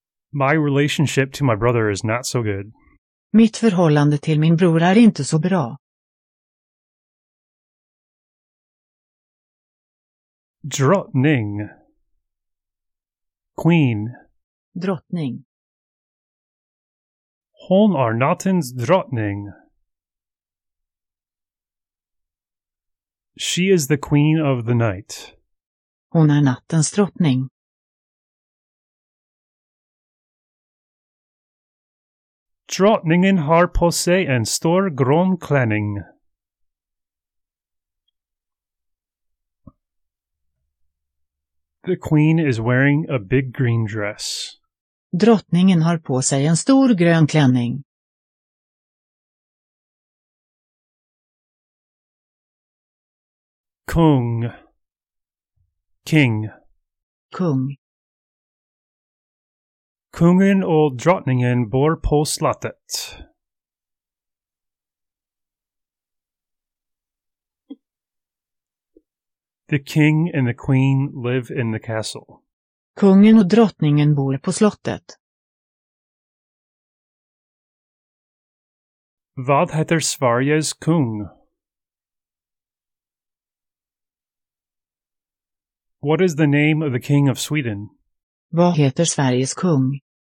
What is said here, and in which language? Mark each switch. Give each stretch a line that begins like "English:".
English: My relationship to my brother is not so good.
Swedish: Mitt förhållande till min bror är inte så bra. Drottning.
English: Queen.
Swedish: Drottning. Hon är nattens drottning.
English: She is the queen of the night.
Swedish: Hon är nattens drottning. Drottningen har på sig en stor grön klänning.
English: The queen is wearing a big green dress.
Swedish: Drottningen har på sig en stor grön klänning. Kung.
English: King.
Swedish: Kung. Kungen och drottningen bor på slottet.
English: The king and the queen live in the castle.
Swedish: Kungen och drottningen bor på slottet. Vad heter Sveriges kung?
English: What is the name of the king of Sweden?
Swedish: Vad heter Sveriges kung?